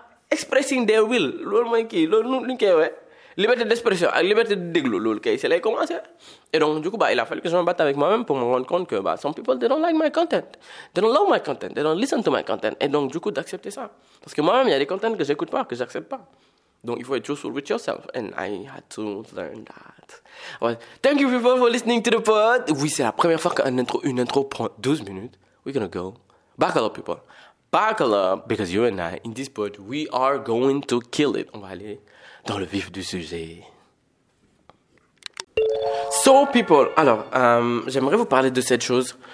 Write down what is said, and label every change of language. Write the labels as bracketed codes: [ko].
[en] Expressing their will. [fr] Lol, moi, qui? Lol, nous, qui, ouais. Liberté d'expression. Liberté de déglou. Lol, qui? C'est là qu'il commence. Et donc, du coup, il a fallu que je me batte avec moi-même pour me rendre compte que, [en] some people, they don't like my content. [fr] They don't love my content. [en] They don't listen to my content. [fr] Et donc, du coup, d'accepter ça. Parce que moi-même, il y a des contents que j'écoute pas, que j'accepte pas. Donc, il faut être [en] truthful with yourself. And I had to learn that. Well, thank you people for listening to the pod. [fr] Oui, c'est la première fois qu'une intro prend 12 minutes. [en] We're gonna go. Buckle up, people. Buckle up, because you and I, in this pod, we are going to kill it. [fr] On va aller dans le vif du sujet. [en] So, people. [fr] Alors, j'aimerais vous parler de cette chose.